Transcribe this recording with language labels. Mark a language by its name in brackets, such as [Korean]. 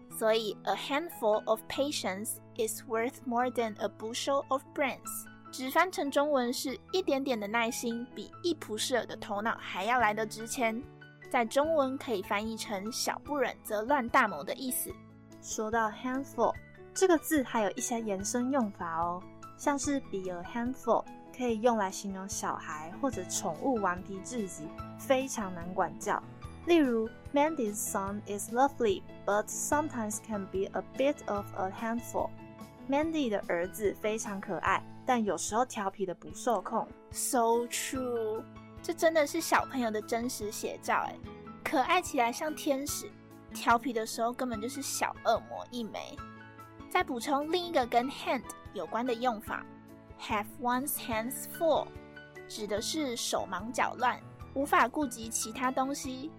[Chinese] 所以 [English] A handful of patience is worth more than a bushel of brains， [Chinese] 只翻成中文是一点点的耐心比一蒲式耳的头脑还要来得值钱，在中文可以翻译成小不忍则乱大谋的意思。说到 handful 这个字还有一些延伸用法哦，像是 [English] be a handful [Chinese] 可以用来形容小孩或者宠物顽皮至极，非常难管教。例如 [English] Mandy's son is lovely but sometimes can be a bit of a handful。 [Chinese] Mandy 的儿子非常可爱，但有时候调皮的不受控。 [English] So true， [Chinese] 这真的是小朋友的真实写照耶，可爱起来像天使，调皮的时候根本就是小恶魔一枚。再补充另一个跟 hand 有关的用法， [English] have one's hands full [Chinese] 指的是手忙脚乱，无法顾及其他东西。